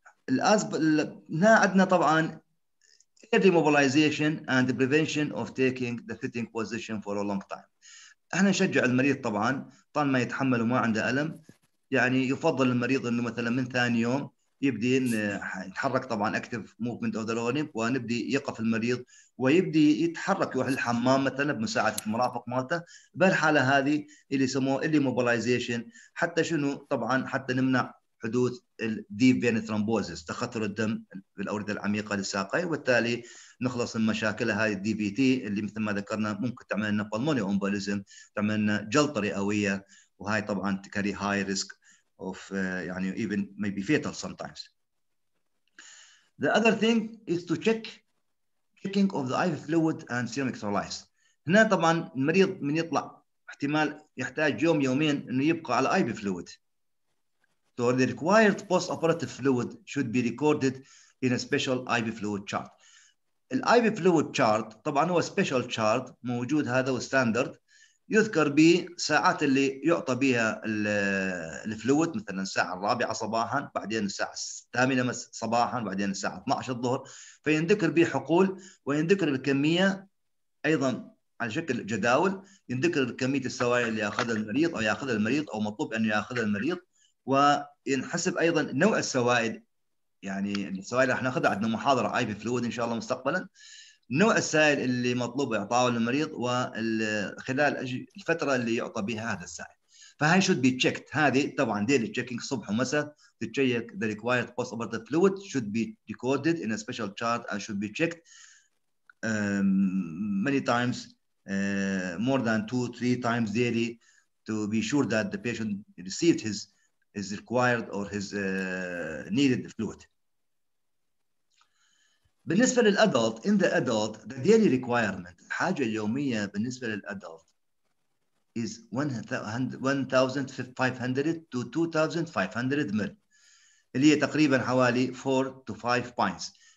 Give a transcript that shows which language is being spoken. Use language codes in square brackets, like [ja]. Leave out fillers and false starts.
[ar] هنا عندنا طبعا [en] early mobilization and the prevention of taking the sitting position for a long time. [ar] احنا نشجع المريض طبعا طالما يتحمل وما عنده الم، يعني يفضل المريض انه مثلا من ثاني يوم يبدي يتحرك طبعا اكتف موفمنت اوف ذا لونج، ونبدي يقف المريض ويبدي يتحرك يروح الحمام مثلا بمساعده المرافق مالته. بهالحاله هذه اللي يسموه اللي موبلايزيشن، حتى شنو طبعا حتى نمنع حدوث الديب فين ثرومبوزس، تخثر الدم في الاورده العميقه للساقين، وبالتالي نخلص من مشاكل هذه الدي بي تي اللي مثل ما ذكرنا ممكن تعمل لنا بالموني امبوليزم، تعمل لنا جلطه رئويه، وهاي طبعا تكري هاي ريسك of يعني [en] even maybe fatal sometimes. The other thing is to checking of the IV fluid and serum electrolytes. [ar] هنا طبعا المريض من يطلع احتمال يحتاج يوم يومين انه يبقى على IV fluid. [en] So the required post-operative fluid should be recorded in a special IV fluid chart. [ar] ال IV fluid chart طبعا هو special chart موجود هذا والستاندرد، يذكر به ساعات اللي يعطى بها الفلويد، مثلا الساعة الرابعة صباحا، بعدين الساعة الثامنة صباحا، بعدين الساعة 12 الظهر، فينذكر به حقول، وينذكر الكمية أيضا على شكل جداول، ينذكر كمية السوائل اللي يأخذها المريض أو يأخذها المريض أو مطلوب أن يأخذها المريض، وينحسب أيضا نوع السوائل، يعني السوائل اللي نأخذها عندنا محاضرة IV fluid إن شاء الله مستقبلا، نوع السائل اللي مطلوب اعطائه للمريض، وخلال الفتره اللي يعطى بها هذا السائل. [en] فهاي should be checked، [ar] هذه طبعا [en] daily checking [ar] صبح ومساء [en] to check the required post operative fluid should be recorded in a special chart and should be checked many times more than 2-3 times daily to be sure that the patient received his required or his needed fluid. [ar] بالنسبة للأدلت، [en] in the adult the daily requirement، [ar] الحاجة اليومية بالنسبة للأدلت [en] is 1500 to 2500 ml، [ar] اللي هي تقريبا حوالي [en] 4 to 5 pints.